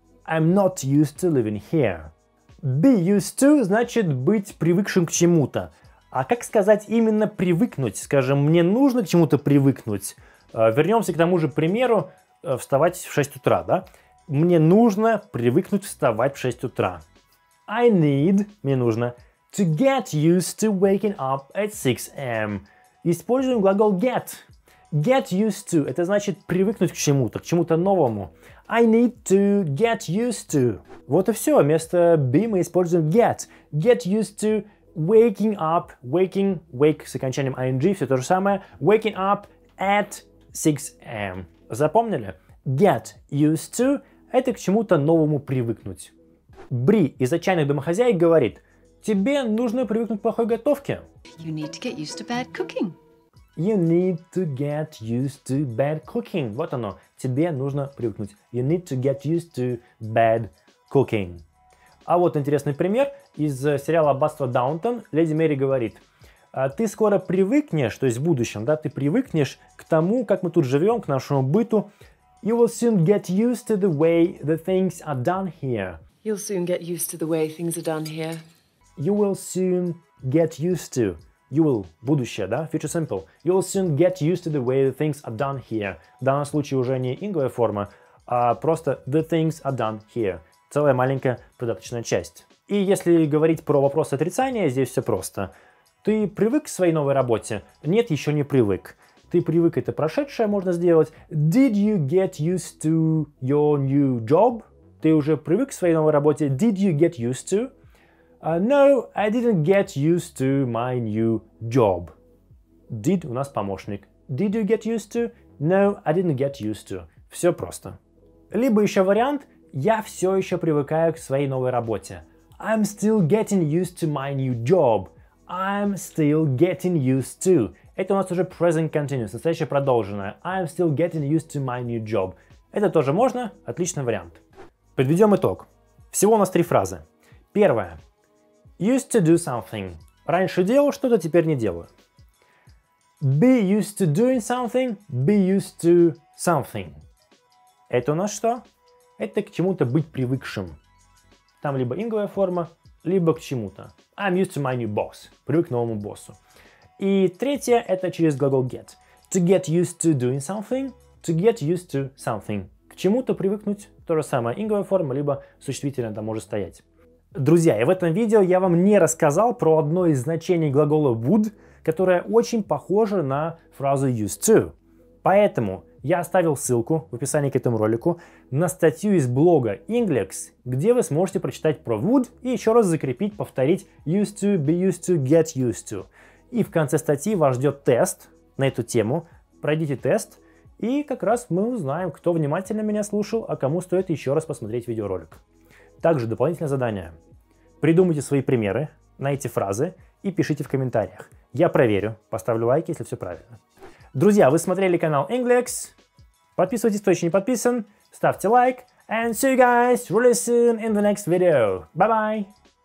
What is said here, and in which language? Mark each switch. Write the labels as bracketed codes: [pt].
[en] I'm not used to living here. Be used to [ru] значит быть привыкшим к чему-то. А как сказать именно привыкнуть? Скажем, мне нужно к чему-то привыкнуть. Вернемся к тому же примеру вставать в 6 утра, да? Мне нужно привыкнуть вставать в 6 утра. [en] I need, [ru] мне нужно, [en] to get used to waking up at 6 a.m. [ru] Используем глагол get. [en] Get used to [ru] — это значит привыкнуть к чему-то новому. [en] I need to get used to. [ru] Вот и все. Вместо be мы используем get. [en] Get used to waking up. Waking, [ru] wake с окончанием ing, все то же самое. [en] Waking up at 6 a.m. [ru] Запомнили? Get used to — это к чему-то новому привыкнуть. Бри из «Отчаянных домохозяек» говорит, тебе нужно привыкнуть к плохой готовке. [en] You need to get used to bad cooking. You need to get used to bad cooking. [ru] Вот оно. Тебе нужно привыкнуть. [en] You need to get used to bad cooking. [ru] А вот интересный пример из сериала «Аббатство Даунтон». Леди Мэри говорит, ты скоро привыкнешь, то есть в будущем, да, ты привыкнешь к тому, как мы тут живем, к нашему быту. [en] You will soon get used to the way the things are done here. You'll soon get used to the way things are done here. You will soon get used to. You will, [ru] будущее, да? [en] Future simple. You will soon get used to the way the things are done here. [ru] В данном случае уже не инговая форма, а просто the things are done here. Целая маленькая придаточная часть. И если говорить про вопрос отрицания, здесь все просто. Ты привык к своей новой работе? Нет, еще не привык. Ты привык, это прошедшее можно сделать. [en] Did you get used to your new job? [ru] Ты уже привык к своей новой работе? [en] Did you get used to? No, I didn't get used to my new job. [ru] Did у нас помощник. [en] Did you get used to? No, I didn't get used to. [ru] Все просто. Либо еще вариант. Я все еще привыкаю к своей новой работе. [en] I'm still getting used to my new job. I'm still getting used to. [ru] Это у нас уже present continuous, настоящее продолженное. [en] I'm still getting used to my new job. [ru] Это тоже можно. Отличный вариант. Подведем итог. Всего у нас три фразы. Первое. [en] Used to do something. [ru] Раньше делал что-то, теперь не делаю. [en] Be used to doing something. Be used to something. [ru] Это у нас что? Это к чему-то быть привыкшим. Там либо инговая форма, либо к чему-то. [en] I'm used to my new boss. [ru] Привык к новому боссу. И третье – это через глагол get. [en] To get used to doing something. To get used to something. [ru] К чему-то привыкнуть – то же самое. Инговая форма, либо существительное там может стоять. Друзья, и в этом видео я вам не рассказал про одно из значений глагола would, которое очень похоже на фразу used to. Поэтому я оставил ссылку в описании к этому ролику на статью из блога Inglex, где вы сможете прочитать про would и еще раз закрепить, повторить [en] used to, be used to, [ru] get used to. И в конце статьи вас ждет тест на эту тему. Пройдите тест, и как раз мы узнаем, кто внимательно меня слушал, а кому стоит еще раз посмотреть видеоролик. Также дополнительное задание. Придумайте свои примеры на эти фразы и пишите в комментариях. Я проверю, поставлю лайк, если все правильно. Друзья, вы смотрели канал Inglex. Подписывайтесь, кто еще не подписан. Ставьте лайк. [en] And see you guys really soon in the next video. Bye-bye.